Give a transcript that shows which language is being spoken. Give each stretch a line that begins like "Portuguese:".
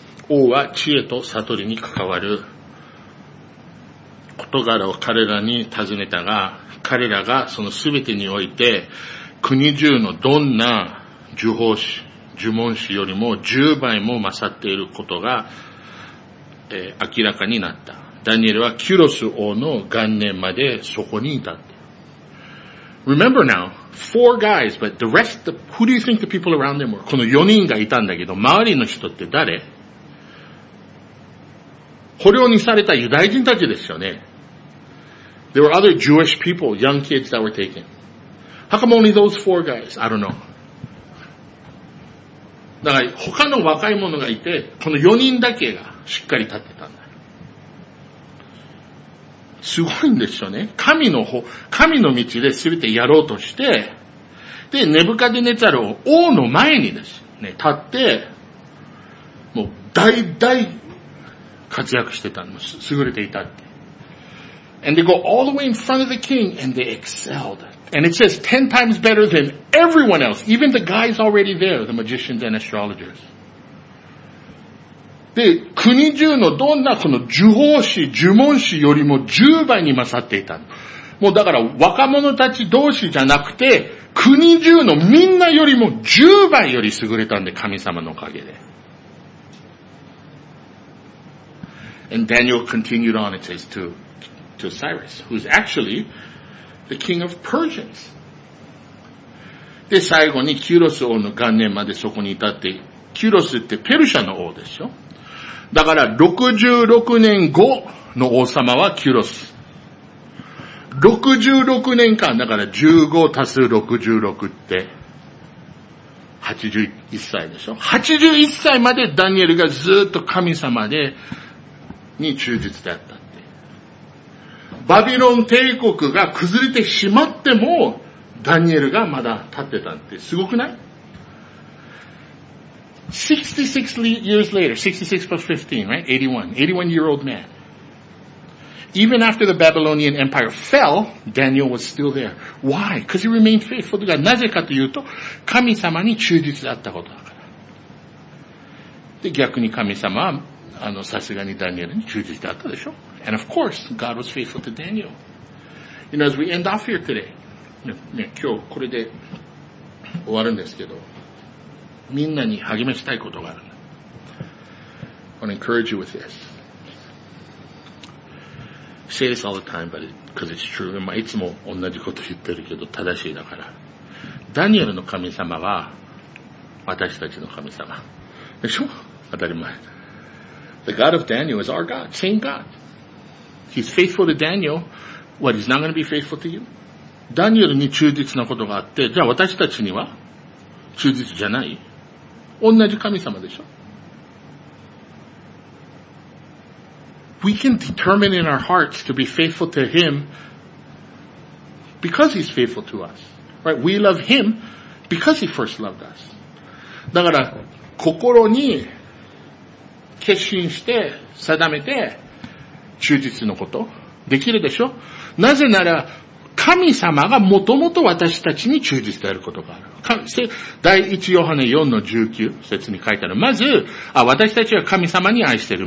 Japanese: 王は知恵と悟りに関わる事柄を彼らに尋ねたが、彼らがその全てにおいて国中のどんな呪法師、呪文師よりも10倍も勝っていることが、明らかになった。ダニエルはキュロス王の元年までそこにいた。
English: Remember now, four guys, but the rest, who do you think the people around them were?
Japanese: この4人がいたんだけど、周りの人って誰？捕虜にされたユダヤ人たちですよね。
English: There were other Jewish people, young kids that were taken. How come only those four guys? I don't know.
Japanese: だから他の若い者がいて、この4人だけがしっかり立ってたんだ。すごいんですよね。神の道で全てやろうとして、で、ネブカデネザルを王の前にですね、立って、もう大大活躍してたの、優れていたって。
English: And they go all the way in front of the king and they excelled. And it says 10 times better than everyone else, even the guys already there, the magicians and astrologers.
Japanese: で、国中のどんなこの呪法師、呪文師よりも10倍に勝っていた。もうだから若者たち同士じゃなくて、国中のみんなよりも10倍より優れたんで、神様のおかげで。
English: And Daniel continued on, it says too. To Cyrus, who's actually the king of Persians.
Japanese: で、最後にキュロス王の元年までそこにいたって、キュロスってペルシャの王ですよ。だから66年後の王様はキュロス。 66年間、だから15足す66って81歳でしょ。 81歳までダニエルがずっと神様でに忠実であった。バビロン帝国が崩れてしまってもダニエルがまだ立ってたってすごくない？
English: 66 years later, 66 plus 15, right? 81-year-old man. Even after the Babylonian Empire fell, Daniel was still there. Why? Because he remained faithful to God.
Japanese: なぜかというと神様に忠実だったことだから。で、逆に神様はさすがにダニエルに忠実だったでしょ。
English: And of course, God was faithful to Daniel. You know, as we end off here today,
Japanese: 今日これで終わるんですけど、みんなに励ましたいことがある。
English: I want to encourage you with this. I say this all the time, but because it's true.
Japanese: いつも同じこと言ってるけど、正しいだから。ダニエルの神様は、私たちの神様。でしょ？当たり前。
English: The God of Daniel is our God, same God. He's faithful to Daniel. What, he's not going to be faithful to you?
Japanese: ダニエルに忠実なことがあって、じゃあ私たちには忠実じゃない？同じ神様でしょ？
English: We can determine in our hearts to be faithful to him because he's faithful to us. Right? We love him because he first loved us.
Japanese: だから、心に決心して、定めて、忠実のことできるでしょ。なぜなら神様がもともと私たちに忠実であることがある。第1ヨハネ4の19節に書いてある。まず、私たちは神様に愛している。